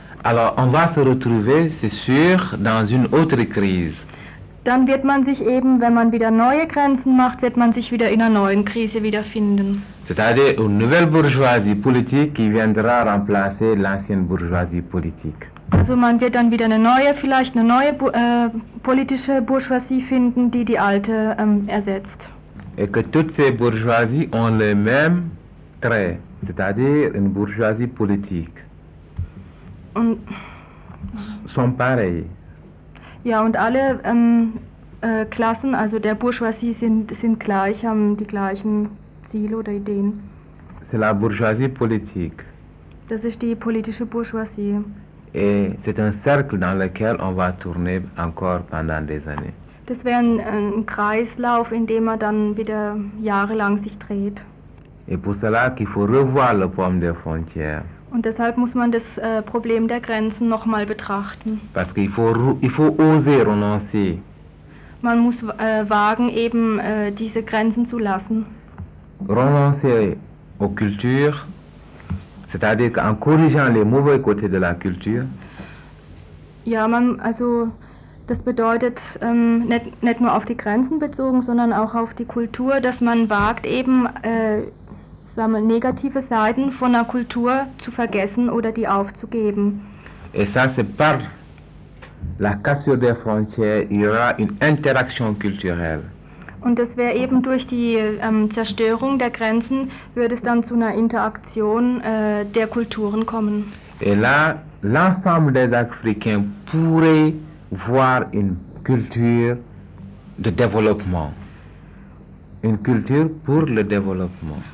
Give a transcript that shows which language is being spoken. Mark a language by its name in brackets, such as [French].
[French] alors on va se retrouver, c'est sûr, dans une autre crise. [German] Dann wird man sich eben, wenn man wieder neue Grenzen macht, wird man sich wieder in einer neuen Krise wiederfinden. [French] C'est-à-dire une nouvelle bourgeoisie politique qui viendra remplacer l'ancienne bourgeoisie politique. [German] Also man wird dann wieder eine neue, vielleicht eine neue politische Bourgeoisie finden, die die alte ersetzt. [French] Et que toutes ces bourgeoisies ont les mêmes traits, c'est-à-dire une bourgeoisie politique. [German] Und [French] sont pareils. [German] Ja, und alle Klassen, also der Bourgeoisie, sind gleich, haben die gleichen Ziele oder Ideen. [French] C'est la bourgeoisie politique. [German] Das ist die politische Bourgeoisie. [French] Et c'est un cercle dans lequel on va tourner encore pendant des années. [German] Das wäre ein Kreislauf, in dem man dann wieder jahrelang sich dreht. [French] Et pour cela qu'il faut revoir le problème des frontières. [German] Und deshalb muss man das Problem der Grenzen nochmal betrachten. [French] Parce qu'il faut, il faut oser renoncer. [German] Man muss wagen, eben diese Grenzen zu lassen. [French] Renoncer aux cultures. C'est-à-dire qu'en corrigeant les mauvais côtés de la culture. [German] Ja, man, also das bedeutet nicht nur auf die Grenzen bezogen, sondern auch auf die Kultur, dass man wagt eben sagen wir, negative Seiten von einer Kultur zu vergessen oder die aufzugeben. [French] Et ça c'est par la cassure des frontières, il y aura une interaction culturelle. [German] Und das wäre eben durch die Zerstörung der Grenzen, würde es dann zu einer Interaktion der Kulturen kommen. [French] Et là, l'ensemble des Africains pourraient voir une culture de développement. Une culture pour le développement.